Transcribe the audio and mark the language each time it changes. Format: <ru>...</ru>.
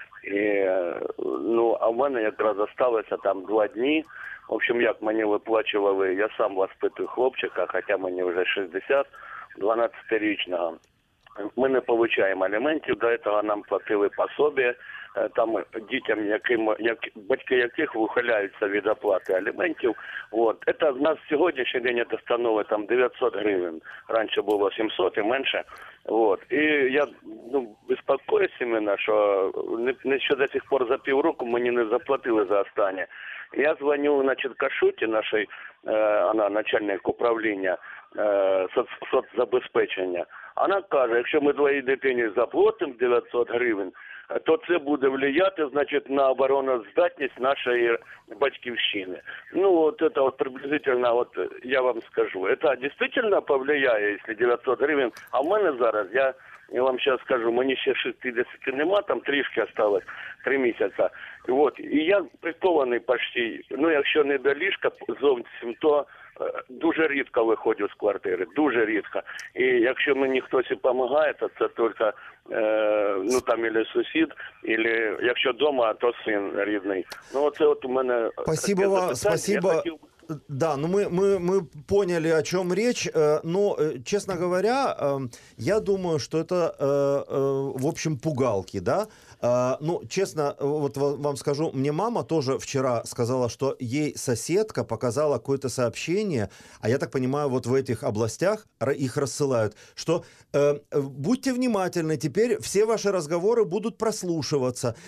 <ru>И, ну, а у меня как раз осталось там 2 дни. В общем, как мне выплачивали, я сам воспитываю хлопчика, хотя мне уже 60, 12-летнего. Мы не получаем алиментов, до этого нам платили пособие.</ru> <uk>Там дітям, яким батьки яких ухиляються від оплати аліментів. От це в нас сьогоднішній день достанови там 900 гривень. Раніше було 700 і менше. От і я безпокоюсь іменно, що не ще до сих пор за півроку мені не заплатили за останнє. Я дзвоню, значить, Кашуті, нашій вона начальник управління соцзабезпечення. Вона каже, якщо ми двоє дитині заплатимо 900 гривень, то це буде влияти, значить, на обороноздатність нашої батьківщини. Ну, от це от приблизительно, от я вам скажу. Це дійсно повлияє, якщо 900 гривень. А в мене зараз, я вам зараз скажу, мені ще 60 нема, там трішки осталось, 3 місяці. От, і я прикований почти, ну, якщо не до ліжка зовсім, то дуже рідко виходжу з квартири, дуже рідко. І якщо мені хтось і допомагає, то це тільки, ну, там, або сусід, або якщо вдома, то син рідний. Ну, оце от у мене...</uk> <ru>Спасибо вам, спасибо. Да, ну мы поняли, о чем речь, но, честно говоря, я думаю, что это, в общем, пугалки, да? Ну, честно, вот вам скажу, мне мама тоже вчера сказала, что ей соседка показала какое-то сообщение, а я так понимаю, вот в этих областях их рассылают, что будьте внимательны, теперь все ваши разговоры будут прослушиваться.</ru>